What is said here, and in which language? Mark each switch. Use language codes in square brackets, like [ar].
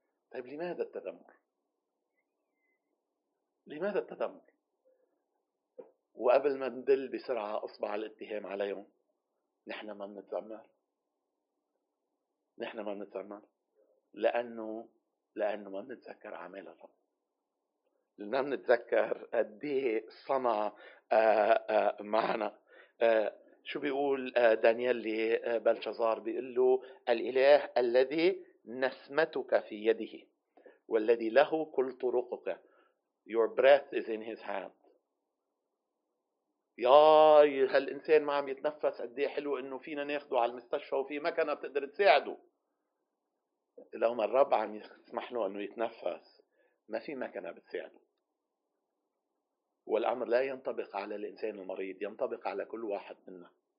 [ar] طيب لماذا التذمر؟ لماذا التذمر؟ وقبل ما ندل بسرعة اصبع الاتهام عليهم، نحن ما منتذمر، نحن ما منتذمر لانه ما منتذكر اعمال الرب، لنا منتذكر قديه صنع معنا. شو بيقول دانيال لبلشازار؟ بيقول له الإله الذي نسمتك في يده والذي له كل طرقك. [en] Your breath is in his hand. [ar] ياي هالإنسان ما عم يتنفس، قد ايه حلو انه فينا ناخده على المستشفى وفي مكنة بتقدر تساعده. لو ما الرب عم يسمح له انه يتنفس، ما في مكنة بتساعده. والأمر لا ينطبق على الإنسان المريض، ينطبق على كل واحد منا.